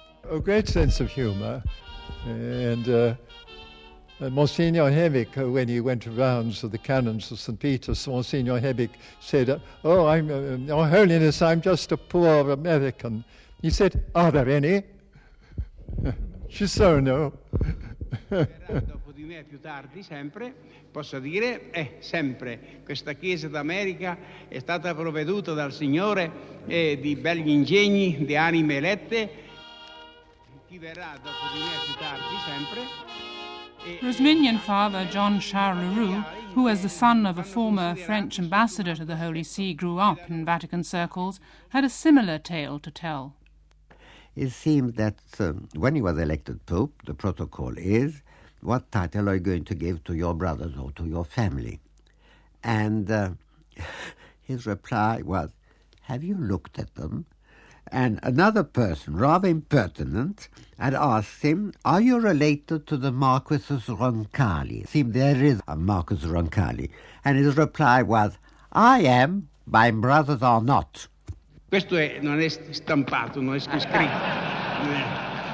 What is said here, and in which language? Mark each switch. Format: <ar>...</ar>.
<en>A great sense of humour. And Monsignor Hebbick, when he went around to the canons of St. Peter's, Monsignor Hebbick said, Your Holiness, I'm just a poor American. He said, are there any? She said, no.</en> <it>Dopo di me, più tardi, sempre. Posso dire, sempre, questa chiesa d'America è stata provveduta dal Signore di belli ingegni, di anime elette. Chi verrà dopo di me più tardi, sempre.</it> <en>Rosminian Father John Charles Leroux, who as the son of a former French ambassador to the Holy See grew up in Vatican circles, had a similar tale to tell. It seemed that when he was elected Pope, the protocol is, what title are you going to give to your brothers or to your family? And his reply was, have you looked at them? And another person, rather impertinent, had asked him, are you related to the Marquis of Roncalli? See, there is a Marquis of Roncalli. And his reply was, I am, my brothers are not.</en> <it>Questo è, non è stampato, non è scritto.</it>